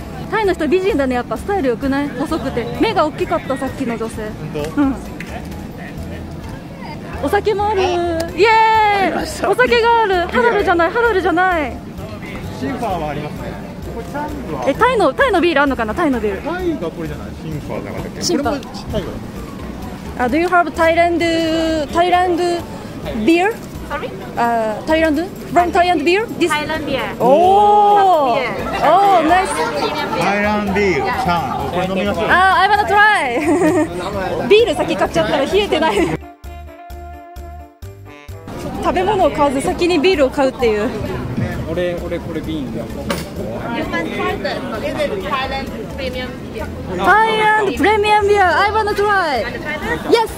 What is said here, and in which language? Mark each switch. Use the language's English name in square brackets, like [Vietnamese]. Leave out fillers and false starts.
[Japanese] タイの人美人だね、やっぱスタイル良くない？細くて目が大きかった、さっきの女性。本当？うん。お酒もある。イエーイ、お酒がある。ハラルじゃない、ハラルじゃない。シンファーはありますね。え、タイのビールあるのかな。タイのビール、タイがこれじゃない、シンファーじゃなかったっけ。シンファー、タイだ。 [English] あ、Do you have Thailand Thailand beer? Sorry? Thailand? From Thailand beer? This? Thailand beer. Oh! Oh, nice! Thailand beer, チャン。 [Japanese] これ飲みましょう。 [English] あ、I wanna try! [Japanese] ビール先買っちゃったら冷えてない。食べ物を買わず先にビールを買うっていう。俺これビールだ。 [English] Thailand premium beer. Thailand premium beer. I wanna try. Yes.